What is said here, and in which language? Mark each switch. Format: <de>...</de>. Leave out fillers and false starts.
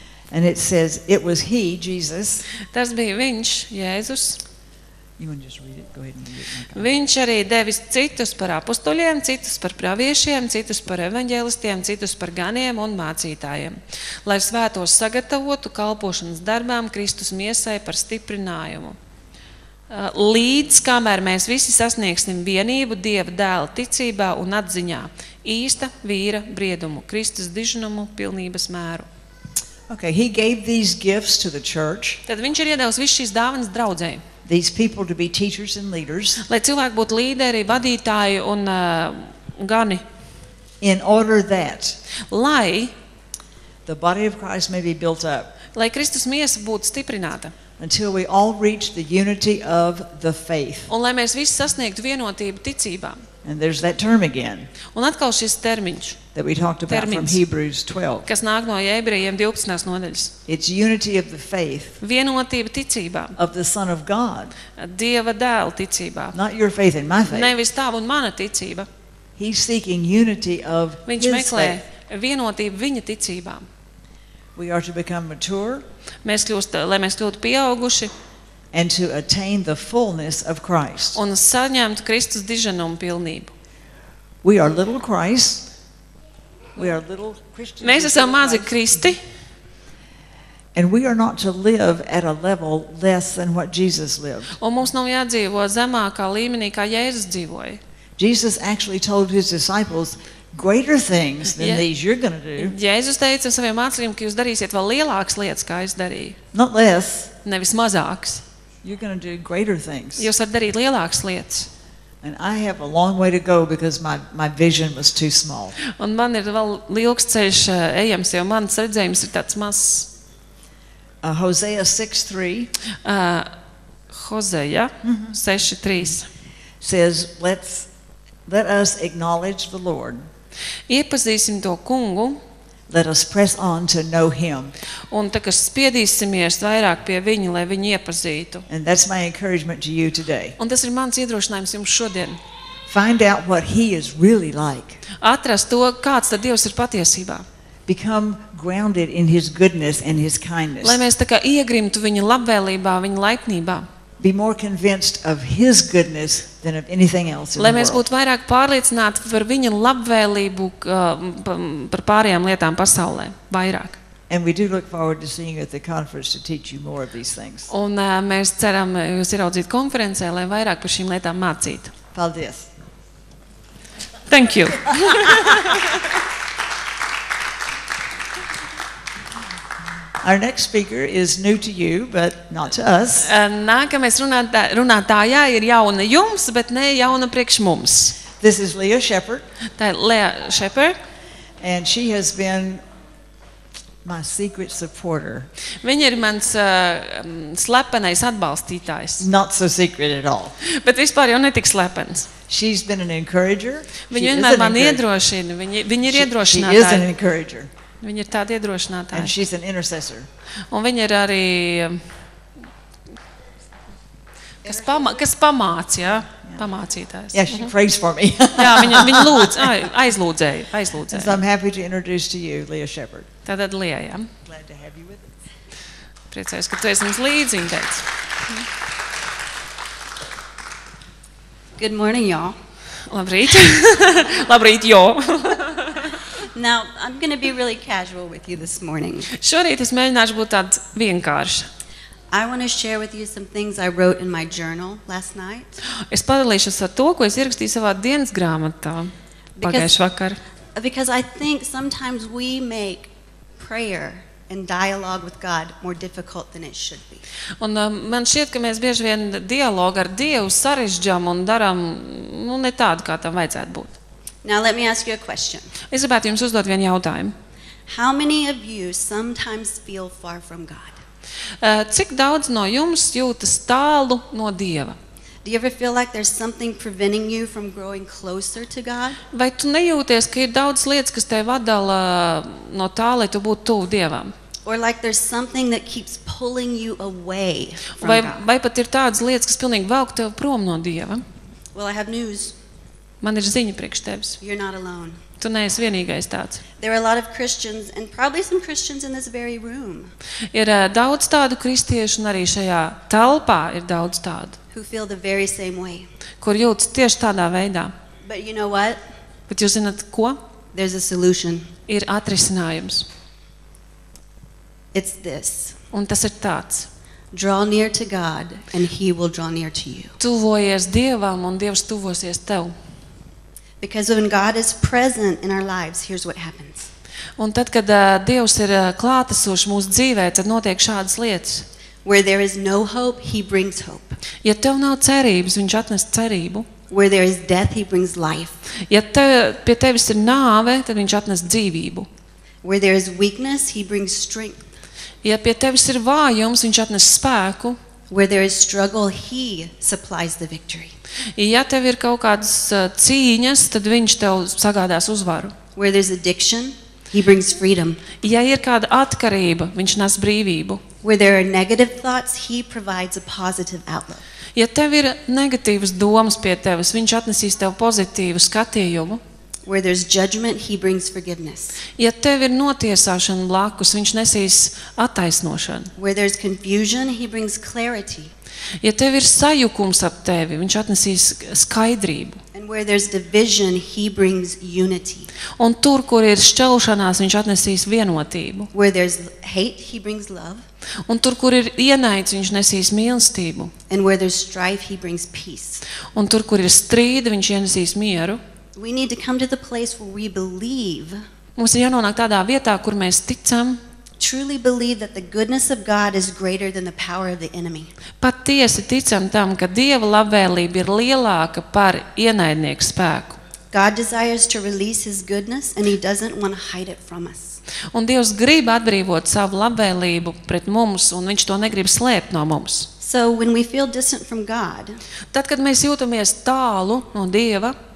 <en>And it says it was he, Jesus.</en> <lv>Tas bija viņš, Jēzus.</lv> <en>You want to just read it? Go ahead and read it.</en> <lv>Viņš arī devis citus par apostoļiem, citus par praviešiem, citus par evaņģēlistiem, citus par ganiem un mācītājiem, lai svētos sagatavotu kalpošanas darbām Kristus miesai par stiprinājumu. Līdz kamēr mēs visi sasniegsim vienību Dieva dēla ticībā un atziņā, īsta vīra briedumu, Kristus dižinumu pilnības mēru.</lv> <en>Okay, he gave these gifts to the church.</en> <lv>Tad viņš ir iedevis visu šīs dāvanas draudzei.</lv> <en>These people to be teachers and leaders.</en> <lv>Lai cilvēki būtu līderi, vadītāji un gani.</lv> <en>In order that.</en> <lv>Lai</lv> <en>the body of Christ may be built up.</en> <lv>Lai Kristus miesa būtu stiprināta.</lv> <en>Until we all reach the unity of the faith.</en> <lv>Un lai mēs visi sasniegtu vienotību ticībā.</lv> <en>And there's that term again.</en> <lv>Un atkal šis termiņš.</lv> <en>That we talked about</en> <lv>termins,</lv> <en>from Hebrews 12.</en> <lv>Kas nāk no Jebrejiem 12. Nodaļas.</lv> <en>It's unity of the faith.</en> <lv>Vienotība ticībā.</lv> <en>Of the Son of God.</en> <lv>Dieva dēla ticībā.</lv> <en>Not your faith and my faith.</en> <lv>Nevis tava un mana ticība.</lv> <en>He's seeking unity of his faith.</en> <lv>Viņš meklē vienotību viņa ticībā.</lv> <en>We are to become mature.</en> <lv>Mēs kļūst, lai mēs kļūtu pieauguši.</lv> <en>And to attain the fullness of Christ.</en> <lv>Un saņemt Kristus diženumu pilnību.</lv> <en>We are little Christ. We are little Christians.</en> <lv>Mēs esam mazi Kristi.</lv> <en>And we are not to live at a level less than what Jesus lived.</en> <lv>Un mums nav jādzīvo zemākā līmenī, kā Jēzus dzīvoja.</lv> <en>Jesus actually told his disciples greater things than these you're going to do.</en> <lv>Jēzus teica saviem mācekļiem, ka jūs darīsiet vēl lielākas lietas, kā es darīju.</lv> <en>Not less.</en> <lv>Nevis mazākas.</lv> <en>You're going to do greater things.</en> <lv>Jūs varat darīt lielākas lietas.</lv> <en>And I have a long way to go because my vision was too small.</en> <lv>Un man ir vēl ilgs ceļš ejams, jo mans redzējums ir tāds mazs.</lv> <en>Hosea 6:3.</en> <lv>Hosea 6:3.</lv> <en>Says, let us acknowledge the Lord.</en> <lv>Iepazīsim to Kungu.</lv> <en>Let us press on to know him.</en> <lv>Un tā kā spiedīsimies vairāk pie viņa, lai viņu iepazītu.</lv> <en>And that's my encouragement to you today.</en> <lv>Un tas ir mans iedrošinājums jums šodien.</lv> <en>Find out what he is really like.</en> <lv>Atrast to, kāds tad Dievs ir patiesībā.</lv> <en>Become grounded in his goodness and his kindness.</en> <lv>Lai mēs tā kā iegrimtu viņa labvēlībā, viņa laipnībā.</lv> <en>Be more convinced of his goodness than of anything else in the world.</en> <lv>Lai mēs būtu vairāk pārliecināti par viņa labvēlību par pārējām lietām pasaulē, vairāk.</lv> <en>And we do look forward to seeing you at the conference to teach you more of these things.</en> <lv>Un mēs ceram jūs ieraudzīt konferencē, lai vairāk par šīm lietām mācītu. Paldies.</lv> <en>Thank you. Our next speaker is new to you, but not to us.</en> <lv>Nākamais runātājā ir jauna jums, bet ne jauna priekš mums.</lv> <en>This is Leah Shepherd.</en> <lv>Tā ir Leah Shepherd.</lv> <en>And she has been my secret supporter.</en> <lv>Viņa ir mans slepenais atbalstītājs.</lv> <en>Not so secret at all.</en> <lv>Bet vispār jau netik slepens.</lv> <en>She's been an encourager.</en> <lv>Viņa vienmēr man iedrošina. Viņa ir iedrošinātāja.</lv> <en>She is an encourager.</en> <lv>Viņa ir tāda iedrošinātāja.</lv> <en>And she's an intercessor.</en> <lv>Un viņa ir arī kas pamāc, ja? Pamācītājs.</lv> <en>Yeah, she prays for me.</en> <lv>Jā, viņa lūdz, aizlūdzēja.</lv> <en>So I'm happy to introduce to you Leah Shepherd.</en> <lv>Tātad Leah, ja?</lv> <en>Glad to have you with us.</en> <lv>Priecājos, ka tu esi mums līdzi, viņa teica.</lv> <en>Good morning, y'all.</en> <lv>Labrīt. Labrīt, jo.</lv> <en>Now, I'm going to be really casual with you this morning.</en> <lv>Šorīt es mēģināšu būt tāds vienkāršs.</lv> <en>I want to share with you some things I wrote in my journal last night.</en> <lv>Es padalīšos ar to, ko es ierakstīju savā dienas grāmatā pagājušajā vakarā.</lv> <en>Because I think sometimes we make prayer and dialogue with God more difficult than it should be.</en> <lv>Un man šķiet, ka mēs bieži vien dialogu ar Dievu sarežģām un darām, nu, ne tādu, kā tam vajadzētu būt.</lv> <en>Now let me ask you a question.</en> <lv>Es gribētu jums uzdot vienu jautājumu.</lv> <en>How many of you sometimes feel far from God?</en> <lv>Cik daudz no jums jūtas tālu no Dieva?</lv> <en>Do you ever feel like there's something preventing you from growing closer to God?</en> <lv>Vai tu nejūties, ka ir daudz lietas, kas tevi atdala no tā, lai tu būtu tuvu Dievam?</lv> <en>Or like there's something that keeps pulling you away from God?</en> <lv>Vai pat ir tādas lietas, kas pilnīgi velk tevi prom no Dieva?</lv> <en>Well, I have news.</en> <lv>Man ir ziņa priekš tevis.</lv> <en>You're not alone.</en> <lv>Tu neesi vienīgais tāds.</lv> <en>There are a lot of Christians and probably some Christians in this very room.</en> <lv>Ir daudz tādu kristiešu un arī šajā telpā ir daudz tādu.</lv> <en>Who feel the very same way.</en> <lv>Kur jūtas tieši tādā veidā.</lv> <en>But you know what?</en> <lv>Bet jūs zināt ko?</lv> <en>There's a solution.</en> <lv>Ir atrisinājums.</lv> <en>It's this.</en> <lv>Un tas ir tāds.</lv> <en>Draw near to God and he will draw near to you.</en> <lv>Tuvojies Dievam un Dievs tuvosies tev.</lv> <en>Because when God is present in our lives, here's what happens.</en> <lv>Un tad, kad Dievs ir klātesošs mūsu dzīvē, tad notiek šādas lietas.</lv> <en>Where there is no hope, he brings hope.</en> <lv>Ja tev nav cerības, viņš atnes cerību.</lv> <en>Where there is death, he brings life.</en> <lv>Ja tev, pie tevis ir nāve, tad viņš atnes dzīvību.</lv> <en>Where there is weakness, he brings strength.</en> <lv>Ja pie tevis ir vājums, viņš atnes spēku.</lv> <en>Where there is struggle, he supplies the victory.</en> <lv>Ja tev ir kaut kādas cīņas, tad viņš tev sagādās uzvaru.</lv> <en>Where there is addiction, he brings freedom.</en> <lv>Ja ir kāda atkarība, viņš nes brīvību.</lv> <en>Where there are negative thoughts, he provides a positive outlook.</en> <lv>Ja tev ir negatīvas domas pie tevis, viņš atnesīs tev pozitīvu skatījumu.</lv> <en>Where there's judgment, he brings forgiveness.</en> <lv>Ja tev ir notiesāšana blakus, viņš nesīs attaisnošanu.</lv> <en>Where there's confusion, he brings clarity.</en> <lv>Ja tev ir sajukums ap tevi, viņš atnesīs skaidrību.</lv> <en>And where there's division, he brings unity.</en> <lv>Un tur, kur ir šķelšanās, viņš atnesīs vienotību.</lv> <en>Where there's hate, he brings love.</en> <lv>Un tur, kur ir ienaids, viņš nesīs mīlestību.</lv> <en>And where there's strife, he brings peace.</en> <lv>Un tur, kur ir strīda, viņš ienesīs mieru.</lv> <en>We need to come to the place where we believe.</en> <lv>Mums ir jānonāk tādā vietā, kur mēs ticam.</lv> <en>Truly believe that the goodness of God is greater than the power of the enemy.</en> <lv>Patiesi ticam tam, ka Dieva labvēlība ir lielāka par ienaidnieku spēku.</lv> <en>God desires to release his goodness and he doesn't want to hide it from us.</en> <lv>Un Dievs grib atbrīvot savu labvēlību pret mums un viņš to negrib slēpt no mums.</lv> <en>So when we feel distant from God,</en> <lv>tad kad mēs jūtamies tālu no Dieva,</lv>